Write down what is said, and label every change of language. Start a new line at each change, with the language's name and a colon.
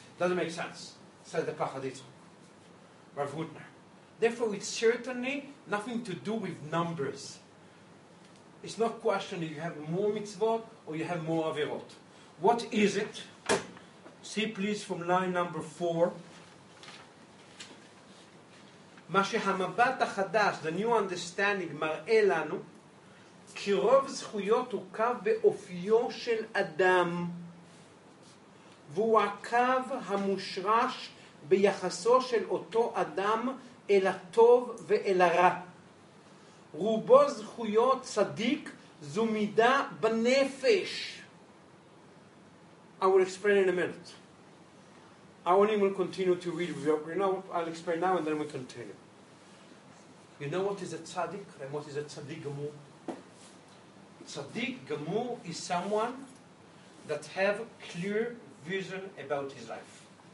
English: Doesn't make sense, says the Pachad Yitzchak, Rav Hutner. Therefore, it's certainly nothing to do with numbers. It's not a question if you have more mitzvah or you have more avirot. What is it? See, please, from line number 4.
Hebrew: מה שהמבט החדש,
English: the new understanding,
Hebrew: מראה לנו, כי רוב זכויות הוא קו באופיו של אדם, והוא הקו המושרש ביחסו של אותו אדם אל הטוב ואל הרע. רובו זכויות צדיק, זו מידה בנפש.
English: I will explain in a minute. I won't even continue to read. I'll explain now and then we continue. You know what is a tzaddik and what is a tzaddik gemur? Tzaddik gemur is someone that have clear vision about his life.